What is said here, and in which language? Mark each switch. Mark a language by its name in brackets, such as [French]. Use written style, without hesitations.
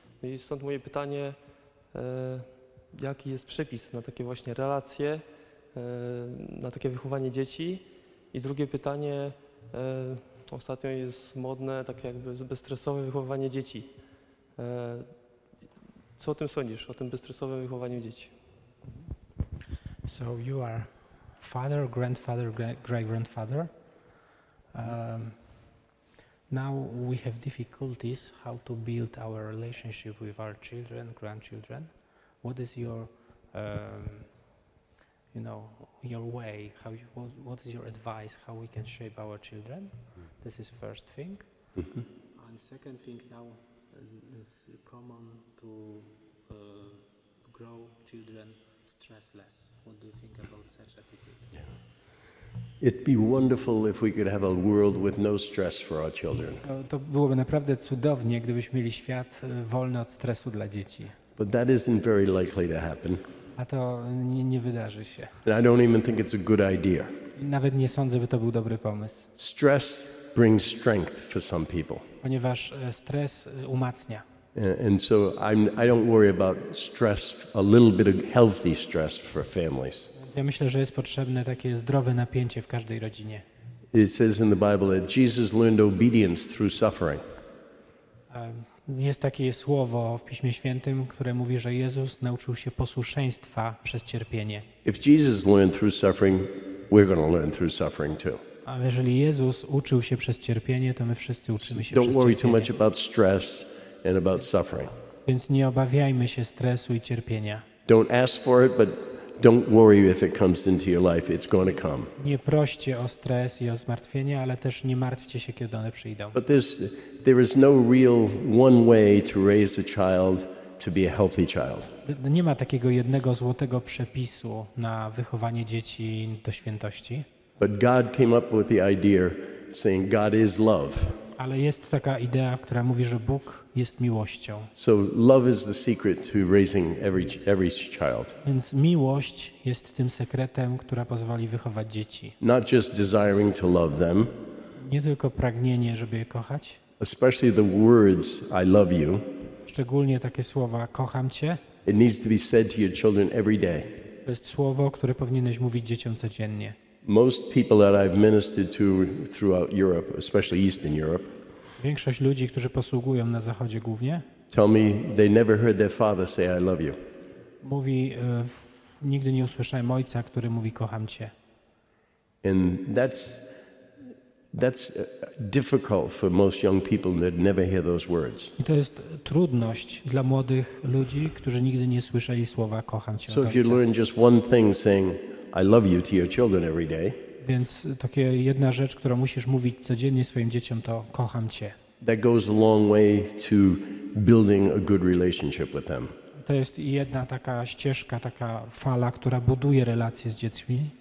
[Polish] I stąd moje pytanie, jaki jest przepis na takie właśnie relacje, na takie wychowanie dzieci? I drugie pytanie, ostatnio jest modne, takie jakby bezstresowe wychowywanie dzieci. Co o tym sądzisz, o tym bezstresowym wychowaniu dzieci? [English] So you are father, grandfather, great-grandfather. Now we have difficulties how to build our relationship with our children, grandchildren. What is your you know, your way, how you, what is your advice, how we can shape our children? This is first thing. And second thing, now is common to grow children stress less? What do you think about such attitude? It'd be wonderful if we could have a world with no stress for our children. [Polish] To byłoby naprawdę cudownie, gdybyśmy mieli świat wolny od stresu dla dzieci. [English] But that isn't very likely to happen. [Polish] A to nie wydarzy się. [English] And I don't even think it's a good idea. [Polish] Nawet nie sądzę, by to był dobry pomysł. [English] Stress brings strength for some people. [Polish] Ponieważ stres umacnia. [English] And so I don't worry about stress, a little bit of healthy stress for families. [Polish] Ja myślę, że jest potrzebne takie zdrowe napięcie w każdej rodzinie. [English] It says in the Bible that Jesus learned obedience through suffering. [Polish] Jest takie słowo w Piśmie Świętym, które mówi, że Jezus nauczył się posłuszeństwa przez cierpienie. [English] If Jesus learned through suffering, we're going to learn through suffering too. [Polish] A jeżeli Jezus uczył się przez cierpienie, to my wszyscy uczymy się przez cierpienie. [English] Don't worry too much about stress and about suffering. [Polish] Więc nie obawiajmy się stresu i cierpienia. [English] Don't ask for it, but don't worry if it comes into your life. It's going to come. [Polish] Nie proście o stres i o zmartwienie, ale też nie martwcie się, kiedy one przyjdą. [English] But there is no real one way to raise a child to be a healthy child. [Polish] Nie ma takiego jednego złotego przepisu na wychowanie dzieci do świętości. [English] But God came up with the idea saying God is love. [Polish] Ale jest taka idea, która mówi, że Bóg jest miłością. [English] So love is the secret to raising every child. [Polish] Więc miłość jest tym sekretem, która pozwoli wychować dzieci. [English] Not just desiring to love them. [Polish] Nie tylko pragnienie, żeby je kochać. [English] Especially the words I love you. [Polish] Szczególnie takie słowa kocham cię. [English] It needs to be said to your children every day. [Polish] To jest słowo, które powinieneś mówić dzieciom codziennie. [English] Most people that I've ministered to throughout Europe, especially Eastern Europe, [Polish] większość ludzi, którzy posługują na zachodzie głównie, [English] tell me they never heard their father say I love you. [Polish] Mówi, nigdy nie usłyszałem ojca, który mówi kocham cię. [English] And that's difficult for most young people that never hear those words. [Polish] I to jest trudność dla młodych ludzi, którzy nigdy nie słyszeli słowa kocham cię. [English] So if you learn just one thing saying I love you to your children every day. [Polish] Więc takie jedna rzecz, którą musisz mówić codziennie swoim dzieciom, to kocham cię. [English] That goes a long way to building a good relationship with them. [Polish] To jest jedna taka ścieżka, taka fala, która buduje relacje z dziećmi.